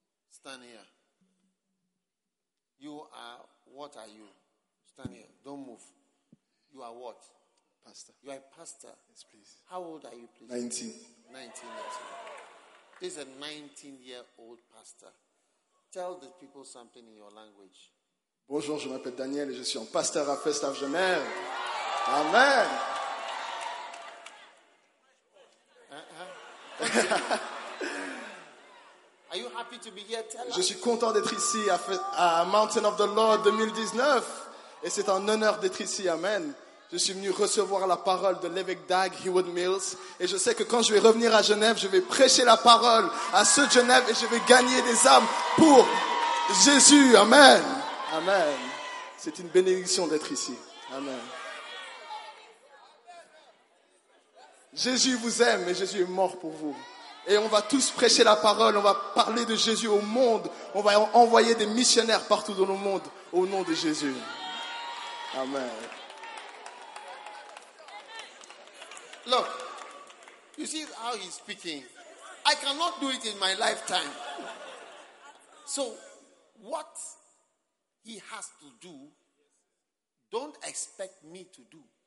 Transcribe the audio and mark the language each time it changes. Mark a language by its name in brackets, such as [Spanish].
[English] Stand here. You are, what are you? Stand here. Don't move. You are what? Pastor. You are a pastor? Yes, please. How old are you, please? 19. 19 years old. This is a 19-year-old pastor. Tell the people something in your language. [French] Bonjour, je m'appelle Daniel et je suis un pasteur à Festav Genève. [English] Amen. Are you happy to be here? Tell [French] je suis content d'être ici à Mountain of the Lord 2019 et c'est un honneur d'être ici. Amen. Je suis venu recevoir la parole de l'évêque Dag Heward Mills et je sais que quand je vais revenir à Genève, je vais prêcher la parole à ceux de Genève et je vais gagner des âmes pour Jésus. Amen. Amen. C'est une bénédiction d'être ici. Amen. Jésus vous aime et Jésus est mort pour vous. Et on va tous prêcher la parole, on va parler de Jésus au monde. On va envoyer des missionnaires partout dans le monde au nom de Jésus. Amen. [English] Look, you see how he's speaking. I cannot do it in my lifetime. So, what he has to do, don't expect me to do.